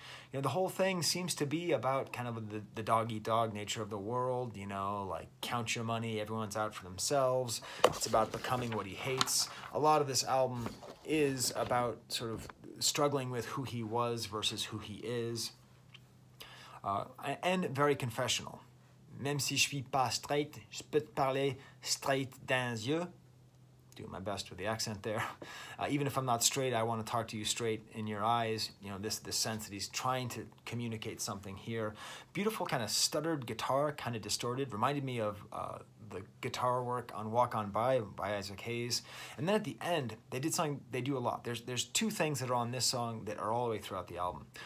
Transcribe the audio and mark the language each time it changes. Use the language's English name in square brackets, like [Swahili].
[English] You know, the whole thing seems to be about kind of the dog-eat-dog nature of the world, you know, like, count your money, everyone's out for themselves. It's about becoming what he hates. A lot of this album is about sort of struggling with who he was versus who he is. And very confessional. [French] Même si je suis pas straight, je peux te parler straight dans les yeux. [English] Doing my best with the accent there. Even if I'm not straight, I want to talk to you straight in your eyes. You know, this sense that he's trying to communicate something here. Beautiful kind of stuttered guitar, kind of distorted. Reminded me of the guitar work on Walk On by Isaac Hayes. And then at the end, they did something they do a lot. There's two things that are on this song that are all the way throughout the album.